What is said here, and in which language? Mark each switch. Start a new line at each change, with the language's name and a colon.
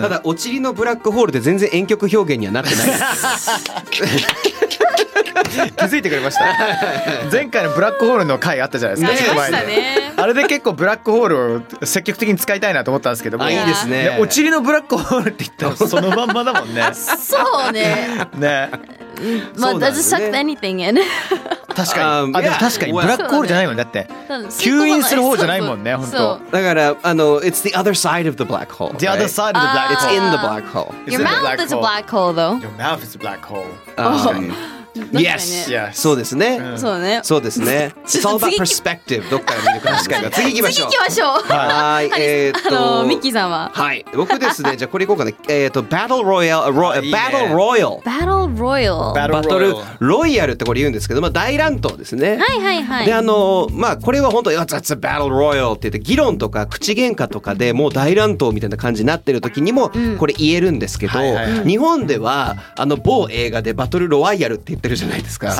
Japanese: ただお尻のブラックホールで全然婉曲表現にはなってない。気づいてくれました。前回のブラックホールの回あったじゃないですか。ありましたね。あれで結構ブラックホールを積極的に使いたいなと思ったんですけども。あ、いいですね。お尻のブラックホールって言ったらそのまんまだもんね。そうね。ね、
English: まあ、does suck anything in.
Japanese: 確かに、でも確かにブラックホールじゃないもん、だって吸引する方じゃないもんね、本当。だから、あの、
English: it's the other side of the black hole. The other side of the black hole. It's in the black hole. Your mouth is a black hole, though. Your mouth is a black hole. Yes.
Japanese: そうですね。そうね。そうですね。
English: It's all about perspective.
Japanese: どっから見るか。確かに。次行きましょう。次行きましょう。はい。ミキさんは。はい。僕ですね。じゃあこれ行こうかな。 Battle Royale。 Battle Royale。 Battle Royale。 Battle Royale ってこれ言うんですけど、まあ大乱闘ですね。はいはいはい。で、まあこれは本当、
English: That's a Battle Royale
Japanese: って言って、議論とか口喧嘩とかでもう大乱闘みたいな感じになってる時にも、これ言えるんですけど、日本では、某映画で Battle Royale って言って、るじゃないですか。